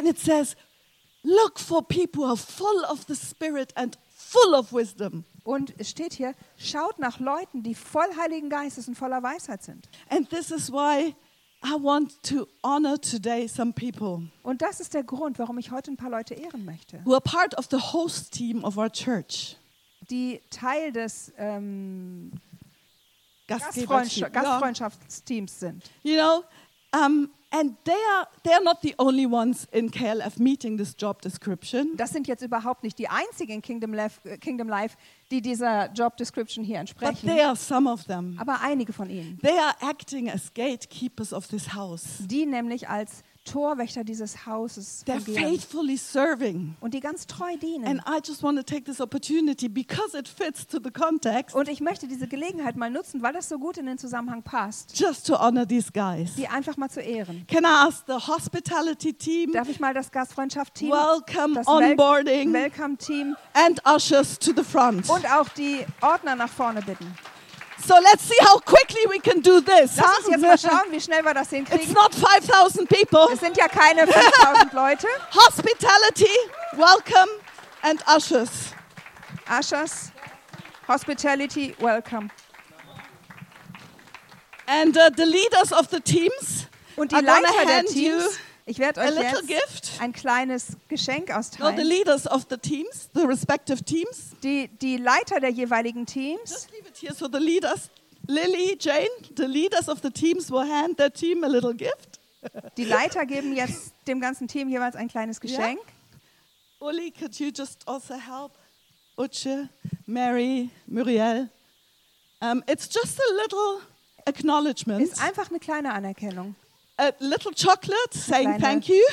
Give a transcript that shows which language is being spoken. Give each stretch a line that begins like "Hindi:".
English: And it says, look for people who are full of the Spirit and full of wisdom.
German: Und es steht hier: Schaut nach Leuten, die voll Heiligen Geistes und voller Weisheit sind.
English: And this is why I want to honor today some people.
German: Und das ist der Grund, warum ich heute ein paar Leute ehren möchte.
English: Who are part of the host team of our church.
German: Die Teil des Gastfreundschaftsteams sind.
English: You know, and they are not the only ones in KLF meeting this job description.
German: Das sind jetzt überhaupt nicht die einzigen Kingdom Life, die dieser Job Description hier entsprechen.
English: But they are some of them.
German: Aber einige von ihnen.
English: They are acting as gatekeepers of this house.
German: Die nämlich als Torwächter dieses Hauses fungieren.
English: They're faithfully serving.
German: Und die ganz treu dienen.
English: And I just want to take this opportunity because it fits to the context.
German: Und ich möchte diese Gelegenheit mal nutzen, weil das so gut in den Zusammenhang passt.
English: Just to honor these guys.
German: Die einfach mal zu ehren.
English: Can I ask the hospitality team?
German: Darf ich mal das Gastfreundschaftsteam,
English: welcome onboarding, welcome team and ushers to the front.
German: Und auch die Ordner nach vorne bitten.
English: So let's see how quickly we can do this.
German: Lass uns jetzt mal schauen, wie schnell wir das hinkriegen.
English: It's not 5,000 people.
German: Es sind ja keine 5,000 Leute.
English: Hospitality, welcome, and ushers. Ushers, hospitality, welcome. And the leaders of the teams.
German: Und die Leiter der Teams. Ich werde euch jetzt ein kleines Geschenk austeilen.
English: The leaders of the teams, the respective teams.
German: Die Leiter der jeweiligen Teams.
English: Here, so the leaders, Lily, Jane, the leaders of the teams will hand their team a little gift.
German: Die Leiter geben jetzt dem ganzen Team jeweils ein kleines Geschenk.
English: Yeah. Uli, could you just also help? Utsche, Mary, Muriel. It's just a little acknowledgement.
German: Ist einfach eine kleine Anerkennung.
English: A little chocolate saying thank you.